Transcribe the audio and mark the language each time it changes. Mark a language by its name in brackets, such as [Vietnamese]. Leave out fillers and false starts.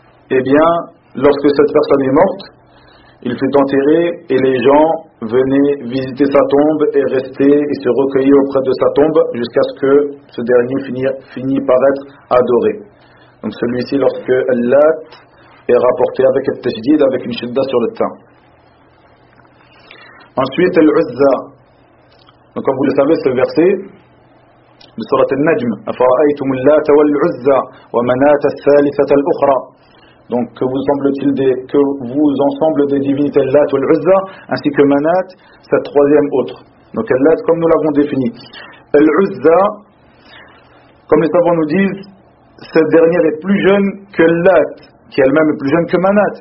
[French] Eh bien, lorsque cette personne est morte, il fut enterré et les gens venaient visiter sa tombe et rester et se recueillir auprès de sa tombe jusqu'à ce que ce dernier finisse par être adoré. Donc celui-ci, lorsque Al-Lat est rapporté avec le Tajdid, avec une shidda sur le temps. Ensuite, Al-Uzza. Donc comme vous le savez, ce verset de surat Al-Najm. [Arabic] أفرأيتم اللات والعزى ومنات الثالثة الأخرى. [French] Donc que vous semble-t-il des, que vous ensemble des divinités Lat ou Al-Uzza, ainsi que Manat, cette troisième autre. Donc Al-Lat, comme nous l'avons défini. Al-Uzza, comme les savants nous disent, cette dernière est plus jeune que Lat, qui elle-même est plus jeune que Manat.